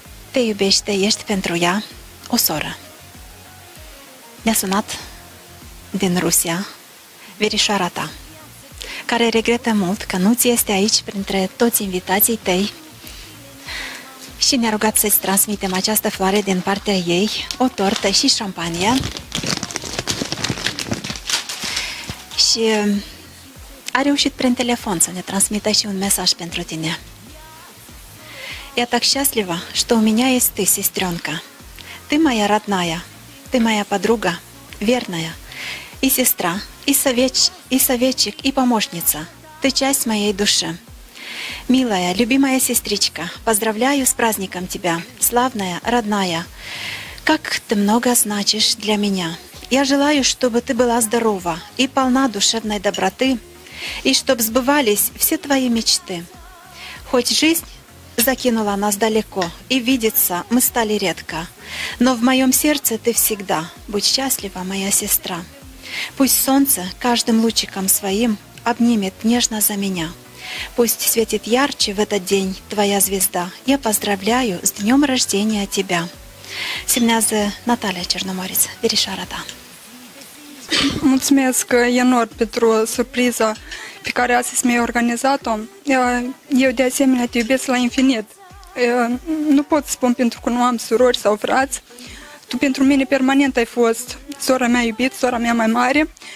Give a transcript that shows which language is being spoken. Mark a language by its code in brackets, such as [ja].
[ro] Te iubește, ești pentru ea o soră. Ne-a sunat din Rusia verișoara ta, care regretă mult că nu ți este aici printre toți invitații tăi și ne-a rugat să-ți transmitem această floare din partea ei, o tortă și șampanie. Și a reușit prin telefon să ne transmită și un mesaj pentru tine. [ru] Я так счастлива, что у меня есть ты, сестренка. Ты моя родная, ты моя подруга, верная. И сестра, и советчик, и помощница. Ты часть моей души. Милая, любимая сестричка, поздравляю с праздником тебя. Славная, родная, как ты много значишь для меня. Я желаю, чтобы ты была здорова и полна душевной доброты, и чтобы сбывались все твои мечты. Хоть жизнь закинула нас далеко, и видеться мы стали редко. Но в моем сердце ты всегда. Будь счастлива, моя сестра. Пусть солнце каждым лучиком своим обнимет нежно за меня. Пусть светит ярче в этот день твоя звезда. Я поздравляю с днем рождения тебя. Семнязе Наталья Черноморец, Верешарата. [ro] Mulțumesc, Ianor, pentru surpriza pe care astăzi mi-ai organizat-o. Eu, de asemenea, te iubesc la infinit. Nu pot spune pentru că nu am surori sau frați. Tu pentru mine permanent ai fost sora mea iubită, sora mea mai mare.